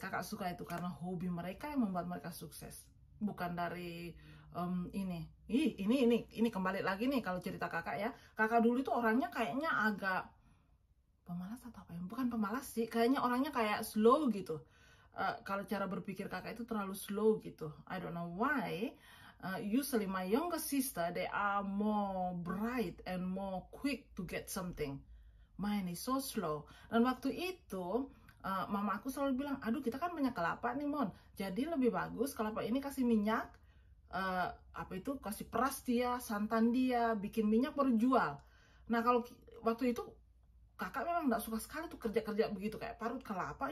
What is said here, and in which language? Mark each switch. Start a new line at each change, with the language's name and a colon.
Indonesian: Kakak suka itu karena hobi mereka yang membuat mereka sukses. Bukan dari ini kembali lagi nih kalau cerita kakak ya. Kakak dulu itu orangnya kayaknya agak pemalas atau apa ya? Bukan pemalas sih, kayaknya orangnya kayak slow gitu. Kalau cara berpikir kakak itu terlalu slow gitu.
English: I don't know why. Usually my younger sister they are more bright and more quick to get something. Mine is so slow.
Indonesian: Dan waktu itu mama aku selalu bilang, aduh kita kan punya kelapa nih Mon, jadi lebih bagus kelapa ini kasih minyak, apa itu, kasih peras dia, santan dia, bikin minyak baru jual. Nah kalau waktu itu kakak memang nggak suka sekali tuh kerja-kerja begitu kayak parut kelapa.